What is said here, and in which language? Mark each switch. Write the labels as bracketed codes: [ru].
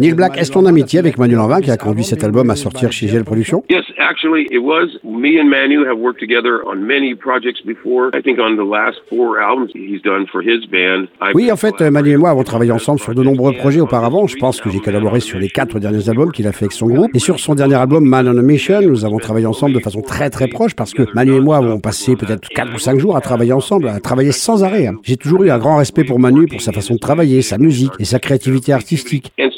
[fr] Neil Black, est-ce ton amitié avec Manu Lanvin qui a conduit cet album à sortir chez GL Productions? [en] Yes, actually, it was. Me and Manu have worked together on many projects before. I think on the last four albums he's done for his band. [fr] Oui, en fait, Manu et moi avons travaillé ensemble sur de nombreux projets auparavant. Je pense que j'ai collaboré sur les quatre derniers albums qu'il a fait avec son groupe. Et sur son dernier album, Man on a Mission, nous avons travaillé ensemble de façon très très proche parce que Manu et moi avons passé peut-être 4 ou 5 jours à travailler ensemble, à travailler sans arrêt. J'ai toujours eu un grand respect pour Manu, pour sa façon de travailler, sa musique et sa créativité artistique.